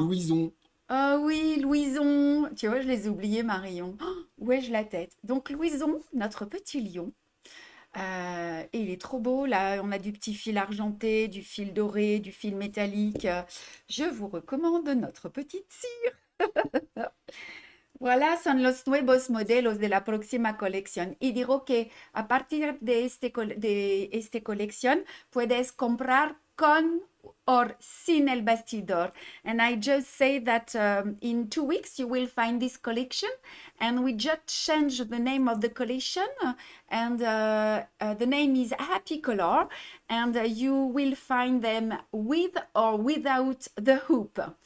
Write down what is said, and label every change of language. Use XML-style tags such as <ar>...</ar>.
<fr>Louison. Oh oui, Louison. Tu vois, je les ai oubliés, Marion. Oh, où ai-je la tête? Donc, Louison, notre petit lion. Et il est trop beau. Là, on a du petit fil argenté, du fil doré, du fil métallique. Je vous recommande notre petite cire.</fr> <es>Voilà, son los nuevos modelos de la próxima colección. Y digo que a partir de este colección, puedes comprar con.</es> <en>or seen El Bastidor. And I just say that in 2 weeks you will find this collection, and we just change the name of the collection, and the name is Happy Color, and you will find them with or without the hoop.</en>